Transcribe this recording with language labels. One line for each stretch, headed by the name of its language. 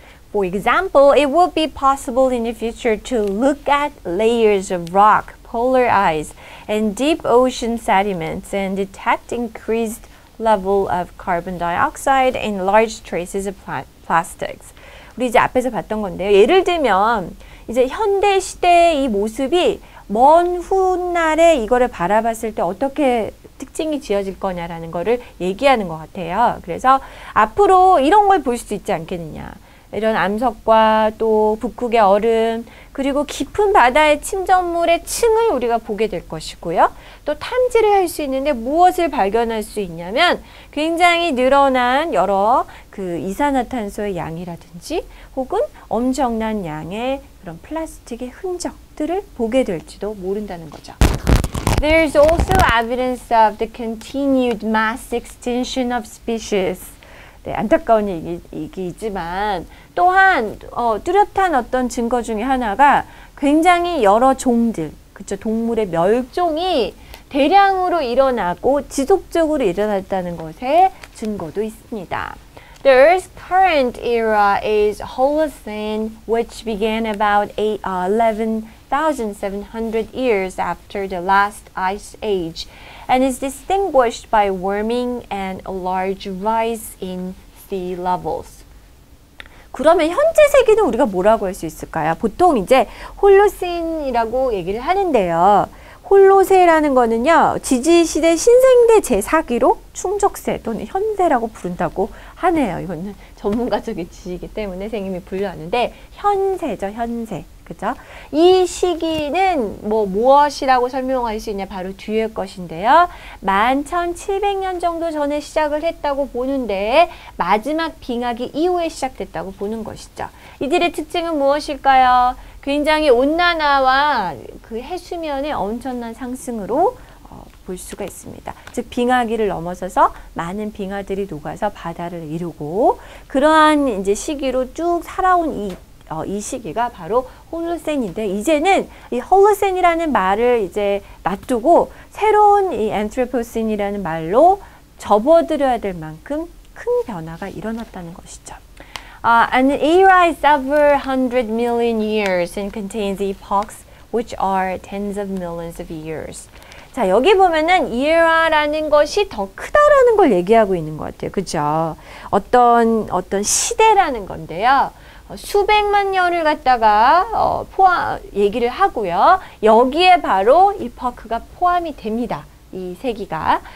English: For example, it would be possible in the future to look at layers of rock, polar ice, and deep ocean sediments and detect increased level of carbon dioxide and large traces of plastics.
Korean: 우리 이제 앞에서 봤던 건데요. 예를 들면 이제 현대 시대의 이 모습이 먼 훗날에 이거를 바라봤을 때 어떻게 특징이 지어질 거냐라는 거를 얘기하는 것 같아요. 그래서 앞으로 이런 걸 볼 수 있지 않겠느냐. 이런 암석과 또 북극의 얼음 그리고 깊은 바다의 침전물의 층을 우리가 보게 될 것이고요. 또 탐지를 할 수 있는데 무엇을 발견할 수 있냐면 굉장히 늘어난 여러 그 이산화탄소의 양이라든지 혹은 엄청난 양의 그런 플라스틱의 흔적들을 보게 될지도 모른다는 거죠.
English: There is also evidence of the continued mass extinction of species.
Korean: 네, 안타까운 얘기이지만 또한 뚜렷한 어떤 증거 중에 하나가 굉장히 여러 종들, 그쵸, 동물의 멸종이 대량으로 일어나고 지속적으로 일어났다는 것의 증거도 있습니다.
English: The Earth's current era is Holocene, which began about 11,700 years after the last ice age. And is distinguished by warming and a large rise in sea levels.
Korean: 그러면 현재 세기는 우리가 뭐라고 할 수 있을까요? 보통 이제 홀로신이라고 얘기를 하는데요. 홀로세라는 거는요, 지지시대 신생대 제4기로 충족세 또는 현세라고 부른다고 하네요. 이거는 전문가적인 지식이기 때문에 선생님이 분류하는데, 현세죠, 현세. 그죠? 이 시기는 뭐 무엇이라고 설명할 수 있냐? 바로 뒤에 것인데요. 11,700년 정도 전에 시작을 했다고 보는데, 마지막 빙하기 이후에 시작됐다고 보는 것이죠. 이들의 특징은 무엇일까요? 굉장히 온난화와 그 해수면의 엄청난 상승으로 볼 수가 있습니다. 즉, 빙하기를 넘어서서 많은 빙하들이 녹아서 바다를 이루고, 그러한 이제 시기로 쭉 살아온 이 시기가 바로 홀로센인데, 이제는 이 홀로센이라는 말을 이제 놔두고, 새로운 이 앤트로포센이라는 말로 접어들여야 될 만큼 큰 변화가 일어났다는 것이죠.
English: An era is several hundred million years and contains epochs which are tens of millions of years.
Korean: 자, 여기 보면은 era라는 것이 더 크다라는 걸 얘기하고 있는 것 같아요. 그죠? 어떤 시대라는 건데요. 수백만 년을 갖다가 얘기를 하고요. 여기에 바로 epoch가 포함이 됩니다. 이 세기가.